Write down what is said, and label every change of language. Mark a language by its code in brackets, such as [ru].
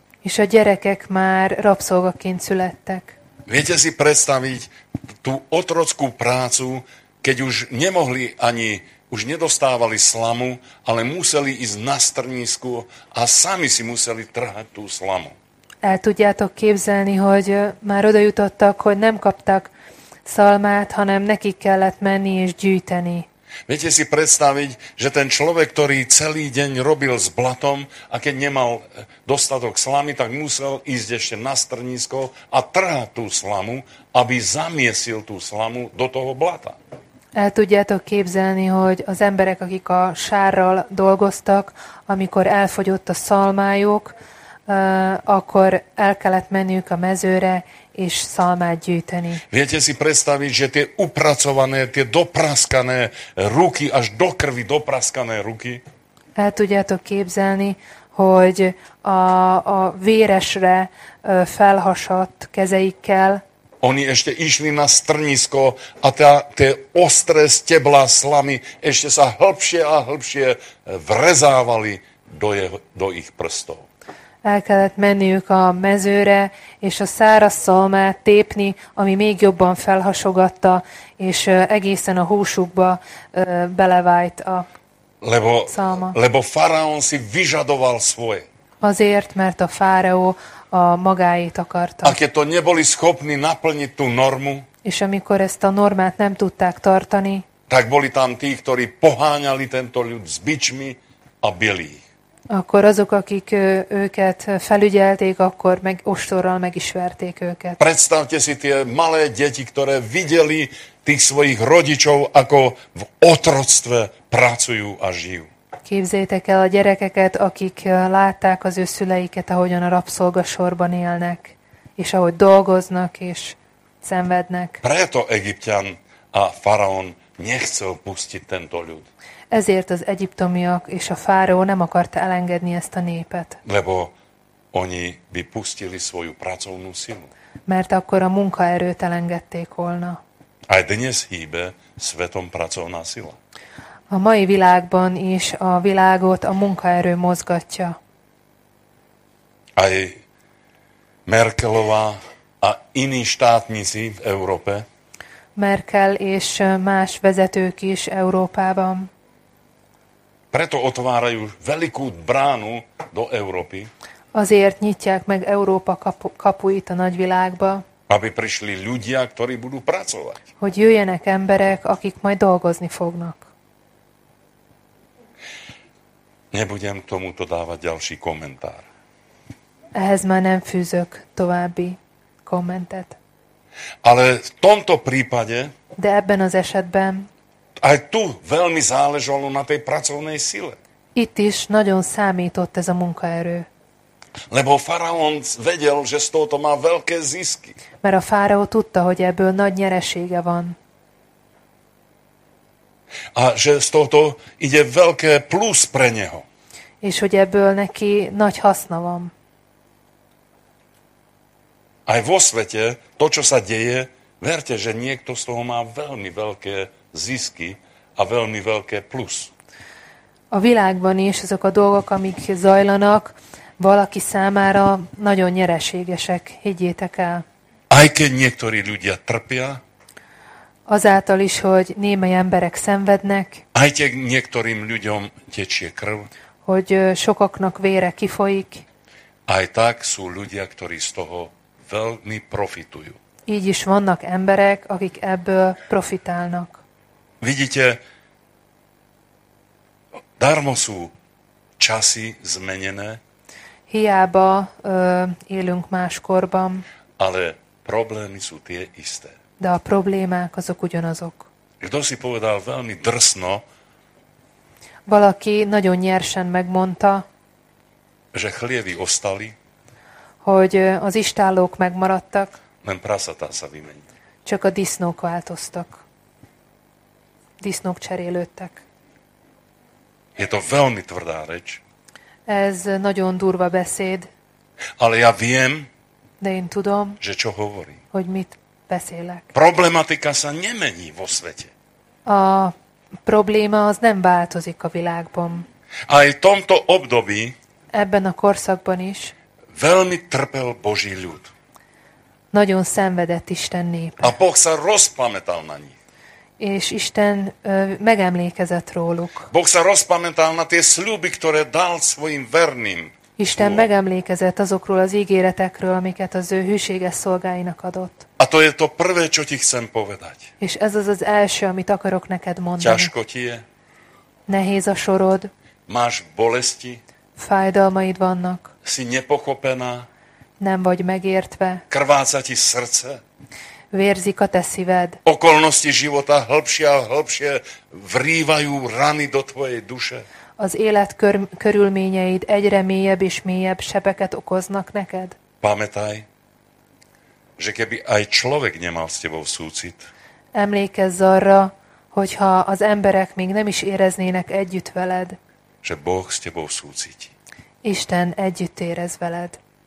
[hu] És a gyerekek már rabszolgaként születtek. [sk] Viete si predstaviť tú otrockú prácu, keď už nemohli ani, už nedostávali slamu, ale museli ísť na strnisku a sami si museli trhať tú slamu. [hu] El tudjátok képzelni, hogy már oda jutottak, hogy nem kaptak szalmát, hanem nekik kellett menni és gyűjteni. [sk] Viete si predstaviť, že ten človek, ktorý celý deň robil s blatom a keď nemal dostatok slamy, tak musel ísť ešte na strnisko a trhať tú slamu, aby zamiesil tú slamu do toho blata. [hu] El tudjátok képzelni, hogy az emberek, akik a sárral dolgoztak, amikor elfogyott a szalmájuk, akkor el kellett menniük a mezőre és szalmát gyűjteni. [sk] Viete si predstaviť, že tie upracované, tie dopraskané ruky, až do krvi dopraskané ruky? [hu] El tudjátok képzelni, hogy a véresre felhasadt kezeikkel. [sk] Oni ešte išli na strnisko a tie ostré stebla slamy ešte sa hĺbšie a hĺbšie vrezávali do ich prstov. [hu] El kellett menniük a mezőre, és a száraz szalmát tépni, ami még jobban felhasogatta, és egészen a húsukba belevájt a szalma. [sk] Lebo faraón si vyžadoval svoje. [hu] Azért, mert a fáraó a magáét akarta. [sk] A keď to neboli schopni naplniť tú normu, [hu] és amikor ezt a normát nem tudták tartani, [sk] tak boli tam tí, ktorí poháňali tento ľud s bičmi a bili ich. [hu] Akkor azok, akik őket felügyelték, akkor meg ostorral meg is verték őket. [sk] Predstavte si tie malé deti, ktoré videli tých svojich rodičov, ako v otroctve pracujú a žijú. [hu] Képzeljétek el a gyerekeket, akik látták az ő szüleiket, ahogyan a rabszolgasorban élnek, és ahogy dolgoznak és szenvednek. [sk] Preto egyiptian a faraón nechcel pustiť tento ľud. [hu] Ezért az egyiptomiak és a fáraó nem akarta elengedni ezt a népet. [sk] Lebo oni by pustili svoju pracovnú silu. [hu] Mert akkor a munkaerőt elengedték volna. [sk] Aj dnes hýbe svetom pracovná sila. [hu] A mai világban is a világot a munkaerő mozgatja. [sk] Aj Merkelová a iní štátnici v Európe. [hu] Merkel és más vezetők is Európában. [sk] Preto otvárajú veľkú bránu do Európy. [hu] Azért nyitják meg Európa kapuit a nagyvilágba. [sk] aby prišli ľudia, ktorí budú pracovať. [hu] Hogy jöjjenek emberek, akik majd dolgozni fognak. [sk] Nebudem tomuto dávať ďalší komentár. [hu] Ehhez már nem fűzök további kommentet. [sk] Ale v tomto prípade, [hu] de ebben az esetben, [sk] aj tu veľmi záležalo na tej pracovnej sile. [hu] Itt is nagyon számított ez a munkaerő. [sk] Lebo faraón vedel, že z tohoto má veľké zisky. [hu] Mert a fáraó tudta, hogy ebből nagy nyeresége van. [sk] A že z tohoto ide veľké plus pre neho. [hu] És hogy ebből neki nagy haszna van. [sk] Aj vo svete to, čo sa deje, verte, že niekto z toho má veľmi veľké zisky a veľmi veľké plus. [hu] A világban is azok a dolgok, amik zajlanak, valaki számára nagyon nyereségesek, higgyétek el. [sk] Aj keď niektorí ľudia trpia, [hu] azáltal is, hogy némely emberek szenvednek, [sk] aj keď niektorým ľuďom tečie krv, [hu] hogy sokaknak vére kifolyik, [sk] aj tak sú ľudia, ktorí z toho veľmi profitujú. [hu] Így is vannak emberek, akik ebből profitálnak. [sk] Vidíte, darmo sú časy zmenené, [hu] hiába élünk máskorban. [sk] Ale problémy sú tie isté. [hu] De a problémák azok ugyanazok. [sk] Kto si povedal veľmi drsno, [hu] valaki nagyon nyersen megmondta, [sk] že chlievi ostali, [hu] hogy az istállók megmaradtak, [sk] nem prasata sa vymenili. [hu] Csak a disznók változtak. Disznók cserélődtek. [sk] Je to veľmi tvrdá reč. [hu] Ez nagyon durva beszéd. [sk] Ale ja viem, [hu] de én tudom, [sk] že čo hovorím. [hu] Hogy mit beszélek. [sk] Problematika sa nemení vo svete. [hu] A probléma az nem változik a világban. [sk] Aj v tomto období [hu] ebben a korszakban is [sk] veľmi trpel Boží ľud. [hu] Nagyon szenvedett Isten népe. [sk] A Boh sa rozpamätal na nich. [hu] És Isten megemlékezett róluk. [sk] Boh sa rozpamätal na tie sľuby, ktoré dal svojim verným. [hu] Isten megemlékezett azokról az ígéretekről, amiket az ő hűséges szolgáinak adott. [sk] A to je to prvé, čo ti chcem povedať. [hu] És ez az az első, amit akarok neked mondani. [sk] Ťažko ti je. [hu] Nehéz a sorod. [sk] Máš bolesti. [hu] Fájdalmaid vannak. [sk] Si nepochopená. [hu] Nem vagy megértve. [sk] Krváca ti srdce. [hu] Vérzik a te szíved. [sk] Okolnosti života hlbšie a hlbšie vrývajú rany do tvojej duše. [hu] Az élet körülményeid egyre mélyebb és mélyebb sebeket okoznak neked. [sk] Pamätaj, že keby aj človek nemal s tebou súcit. [hu] Emlékezz arra, hogyha az emberek még nem is éreznének együtt veled. [sk] Že Boh s tebou súcit. [hu] Isten együtt érez veled.